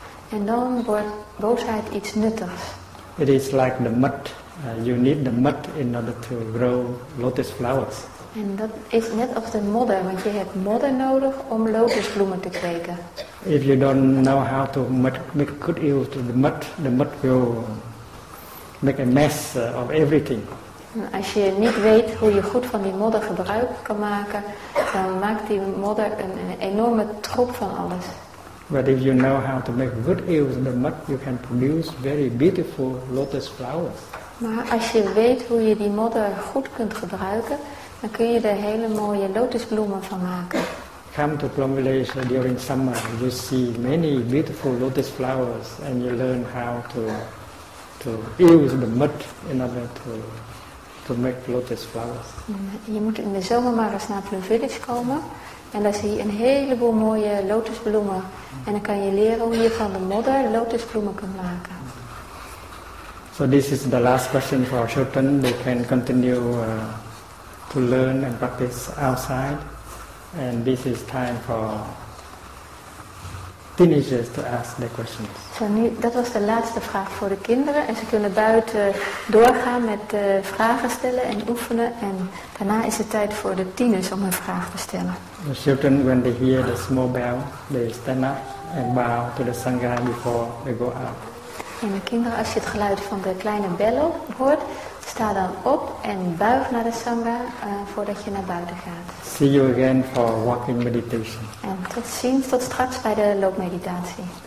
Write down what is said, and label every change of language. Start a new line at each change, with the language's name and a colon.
Dutch: En dan wordt boosheid iets nuttigs.
English: It is like the mud. You need the mud in order to grow lotus flowers.
Dutch: En dat is net als de modder, want je hebt modder nodig om lotusbloemen te kweken.
English: If you don't know how to make good use of the mud will make a mess of everything.
Dutch: Als je niet weet hoe je goed van die modder gebruik kan maken, dan maakt die modder een enorme troep van alles.
English: But if you know how to make good use of the mud, you can produce very beautiful lotus flowers.
Dutch: Maar als je weet hoe je die modder goed kunt gebruiken, dan kun je er hele mooie lotusbloemen van maken.
English: Come to Plum Village during summer, you see many beautiful lotus flowers and you learn how to use the mud in order to make lotus flowers.
Dutch: Je moet in de zomer maar eens naar Plum Village komen en daar zie je een heleboel mooie lotusbloemen. En dan kan je leren hoe je van de modder lotusbloemen kunt maken.
English: So this is the last question for our children. They can continue to learn and practice outside. And this is time for teenagers to ask their questions.
Dutch: So nu, dat was de laatste vraag voor de kinderen. En ze kunnen buiten doorgaan met vragen stellen en oefenen. En daarna is het tijd voor de tieners om een vraag te stellen.
English: The children, when they hear the small bell, they stand up and bow to the Sangha before they go out.
Dutch: En de kinderen, als je het geluid van de kleine bel hoort, sta dan op en buig naar de Sangha voordat je naar buiten gaat.
English: See you again for walking meditation.
Dutch: En tot ziens, tot straks bij de loopmeditatie.